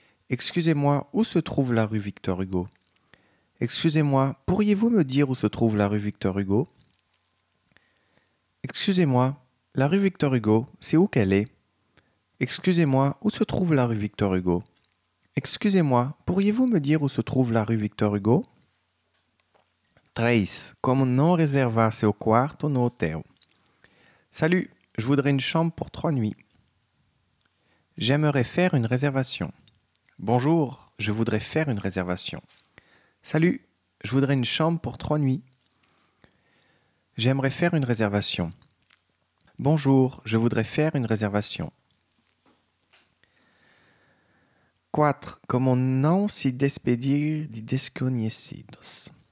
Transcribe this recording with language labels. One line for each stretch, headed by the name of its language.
French: Excusez-moi, où se trouve la rue Victor Hugo? Excusez-moi, pourriez-vous me dire où se trouve la rue Victor Hugo? Excusez-moi, la rue Victor Hugo, c'est où qu'elle est? Excusez-moi, où se trouve la rue Victor Hugo? Excusez-moi, pourriez-vous me dire où se trouve la rue Victor Hugo? 3.
Portuguese: Como no reservar seu quarto no hotel?
French: Salut, je voudrais une chambre pour 3 nuits. J'aimerais faire une réservation. Bonjour, je voudrais faire une réservation. Salut, je voudrais une chambre pour 3 nuits. J'aimerais faire une réservation. Bonjour, je voudrais faire une réservation. 4.
Portuguese: Como não se despedir de desconhecidos?